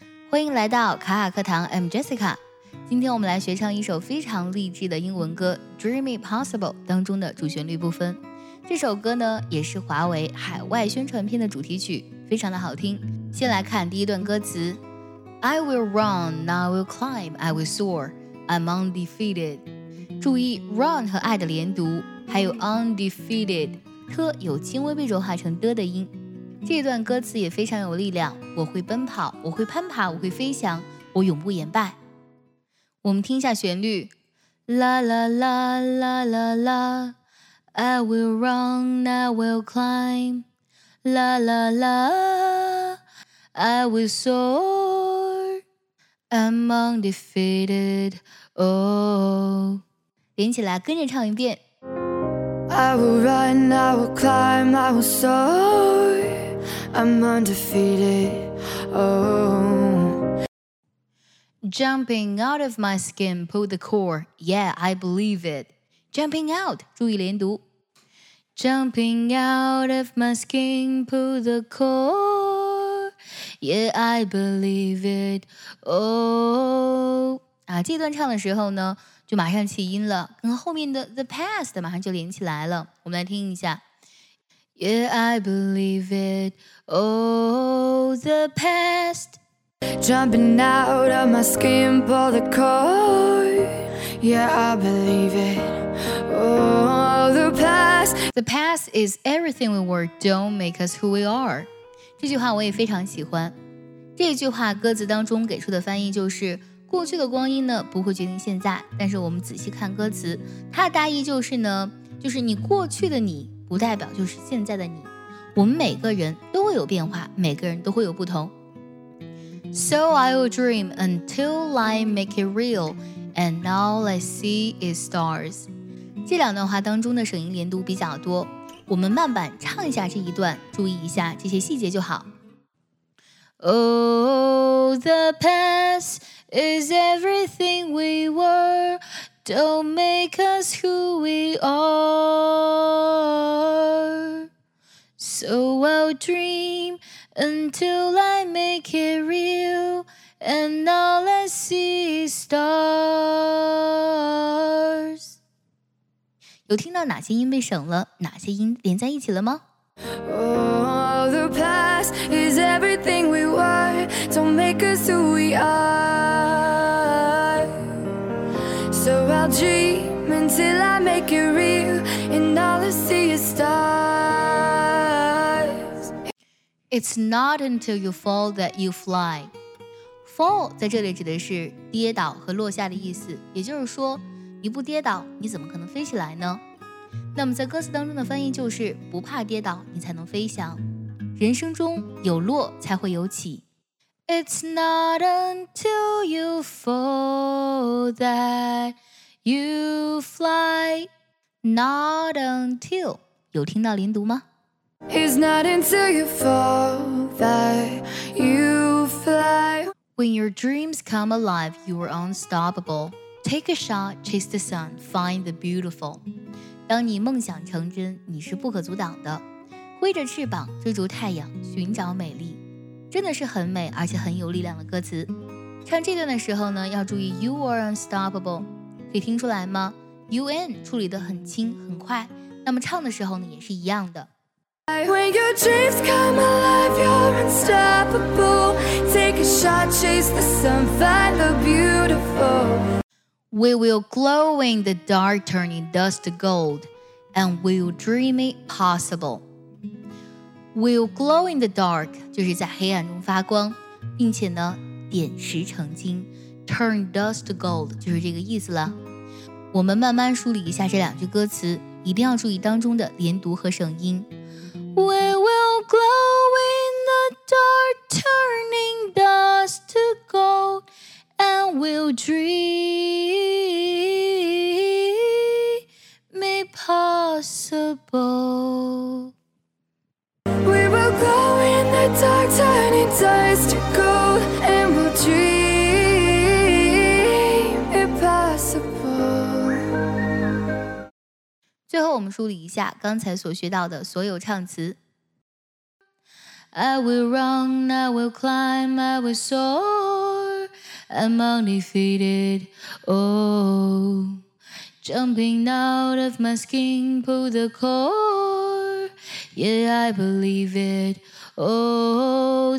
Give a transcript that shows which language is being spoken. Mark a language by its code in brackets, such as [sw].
[zh] 欢迎来到卡卡课堂 ， [en] I'm Jessica。 [zh] 今天我们来学唱一首非常励志的英文歌《Dream It Possible》当中的主旋律部分。这首歌呢，也是华为海外宣传片的主题曲，非常的好听。先来看第一段歌词 [en] ：I will run, now I will climb, I will soar, I'm undefeated。 [zh] 注意 run 和 I 的连读，还有 undefeated， 特有轻微被柔化成的的音。这段歌词也非常有力量，我会奔跑，我会攀爬，我会飞翔，我永不言败。 [en] 我们听一下旋律 La la la la la la I will run, I will climb La la la I will soar I'm undefeated Oh [zh] 连起来跟着唱一遍 [en] I will run, I will climb, I will soarI'm undefeated, oh Jumping out of my skin, pull the core Yeah, I believe it Jumping out, [zh] 注意连读 [en] Jumping out of my skin, pull the core Yeah, I believe it, oh [zh] 啊，这段唱的时候呢，就马上起音了跟后面的 the past 马上就连起来了我们来听一下 [en] Yeah, I believe it. Oh, the past. Jumping out of my skin, pull the cord. Yeah, I believe it. Oh, the past. The past is everything we were. Don't make us who we are. [zh] 这句话我也非常喜欢。这句话歌词当中给出的翻译就是过去的光阴呢不会决定现在。但是我们仔细看歌词，它的大意就是呢，就是你过去的你。不代表就是现在的你我们每个人都会有变化每个人都会有不同 [en] So I will dream until I make it real And all I see is stars [zh] 这两段话当中的声音连读比较多我们慢慢唱一下这一段注意一下这些细节就好 [en] Oh, the past is everything we were Don't make us who we areSo I'll dream until I make it real And all I see is stars [zh] 有听到哪些音被省了哪些音连在一起了吗 [en] Oh, the past is everything we were Don't make us who we are So I'll dream until I make it real And all I see is stars. It's not until you fall that you fly. [zh] Fall 在这里指的是跌倒和落下的意思，也就是说，你不跌倒，你怎么可能飞起来呢？那么在歌词当中的翻译就是，不怕跌倒，你才能飞翔。人生中有落才会有起。 [en] It's not until you fall that you fly. Not until. [zh] 有听到连读吗？ [en] It's not until you fall that you fly. When your dreams come alive, you are unstoppable. Take a shot, chase the sun, find the beautiful. [zh] 当你梦想成真，你是不可阻挡的。挥着翅膀追逐太阳，寻找美丽，真的是很美而且很有力量的歌词。唱这段的时候呢，要注意 [en] you are unstoppable. [zh] 可以听出来吗 ？un 处理得很轻很快，那么唱的时候呢，也是一样的。 [en] When your dreams come alive, you're unstoppable. Take a shot, chase the sun, find the beautiful. We will glow in the dark, turning dust to gold, and we'll dream it possible. We'll glow in the dark, [zh] 就是在黑暗中发光，并且呢，点石成金 ， [en] turn dust to gold， [zh] 就是这个意思了。我们慢慢梳理一下这两句歌词，一定要注意当中的连读和声音。 [en] We will glow in the dark, turning dust to gold, and we'll dream it possible. We will glow in the dark, turning dust to gold, and we'll dream it possible. [zh] 最后，我们梳理一下刚才所学到的所有唱词。 [en] I will run, I will climb, I will soar. I'm undefeated, oh. Jumping out of my skin, pull the core. Yeah, I believe it, oh.